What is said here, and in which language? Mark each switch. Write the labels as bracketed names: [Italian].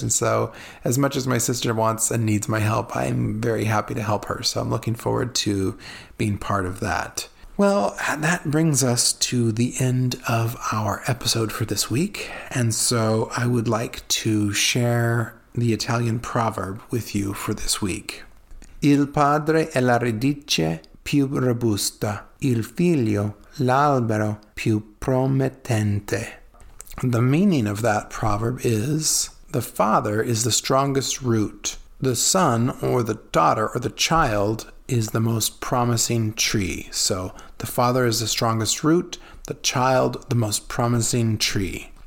[English] And so as much as my sister wants and needs my help, I'm very happy to help her. So I'm looking forward to being part of that. Well, that brings us to the end of our episode for this week. And so I would like to share the Italian proverb with you for this week. [Italian] Il padre è la radice più robusta, il figlio l'albero più promettente. [English] The meaning of that proverb is, the father is the strongest root. The son or the daughter or the child is the most promising tree. So the father is the strongest root, the child the most promising tree.